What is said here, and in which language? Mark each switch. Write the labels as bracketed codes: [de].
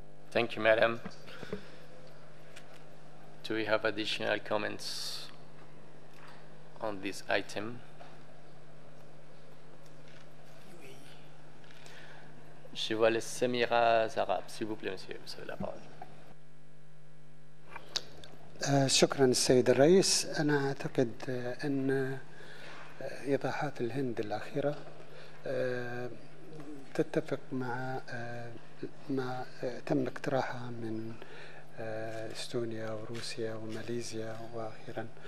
[en] Thank you, Madam. Do we have additional comments on this item? [fr] Je vois le Semira Zarab, s'il vous plaît, monsieur, vous avez la parole. [ar] شكراً سيد الرئيس. أنا أعتقد أن إيضاحات الهند الأخيرة تتفق مع ما تم اقتراحها من استونيا وروسيا وماليزيا وأخيراً.